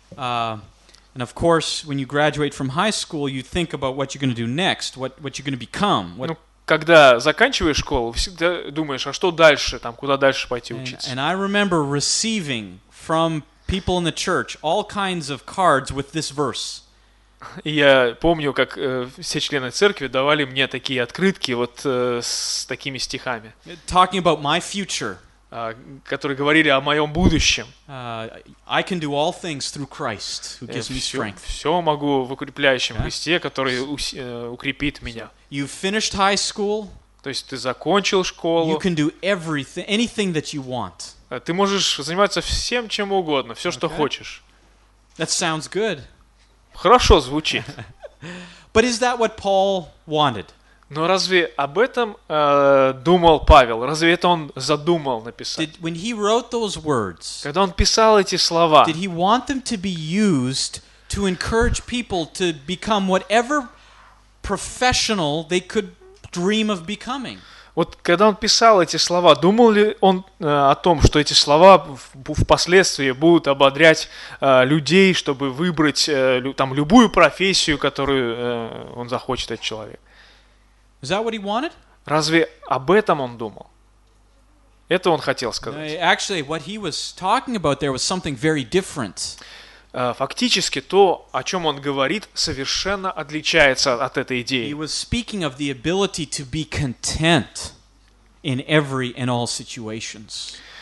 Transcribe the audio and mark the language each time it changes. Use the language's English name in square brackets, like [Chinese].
[English] and of course, when you graduate from high school, you think about what you're going to do next, what you're going to become. [Russian] Когда заканчиваешь школу, всегда думаешь, а что дальше, там, куда дальше пойти учиться. [English] And I remember receiving from people in the church, all kinds of cards with this verse. [Russian] Я помню, как все члены церкви давали мне такие открытки вот с такими стихами. [English] Talking about my future. [Russian] Которые говорили о моем будущем. [English] I can do all things through Christ, who gives me strength. [Russian] Все могу в укрепляющем Христе, который укрепит меня. [English] You finished high school. [Russian] То есть ты закончил школу. [English] You can do everything, anything that you want. [Russian] Ты можешь заниматься всем, чем угодно, все, что хочешь. [English] That sounds good. [Russian] Хорошо звучит. [English] But is that what Paul wanted? [Russian] Но разве об этом думал Павел? Разве это он задумал написать? [English] When he wrote those words, [Russian] когда он писал эти слова, [English] did he want them to be used to encourage people to become whatever professional they could dream of becoming? [Russian] Вот когда он писал эти слова, думал ли он о том, что эти слова впоследствии будут ободрять людей, чтобы выбрать там любую профессию, которую он захочет, этот человек? [English] Is that what he wanted? [Russian] Разве об этом он думал? Это он хотел сказать. [English] Actually, what he was talking about there was something very different. [Russian] Фактически то, о чем он говорит, совершенно отличается от этой идеи. [English] He was speaking of the ability to be content in every and all situations.